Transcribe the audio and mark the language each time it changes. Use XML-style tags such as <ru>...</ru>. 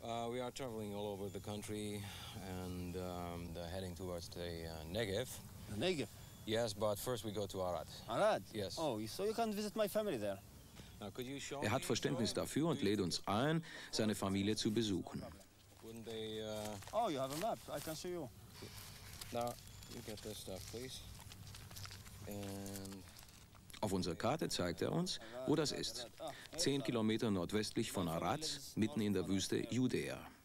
<en>We are traveling all over the country and heading towards the Negev. The Negev? Yes, but first we go to Arad. Arad? Yes. Oh, so you can visit my family there.</en> <de>Er hat Verständnis dafür und lädt uns ein, seine Familie zu besuchen.</de> <en>Wouldn't they, Oh, you have a map. I can show you. Now, you get this stuff, please. And</en> <de>auf unserer Karte zeigt er uns, wo das ist. 10 Kilometer nordwestlich von Arad, mitten in der Wüste Judäa.</de>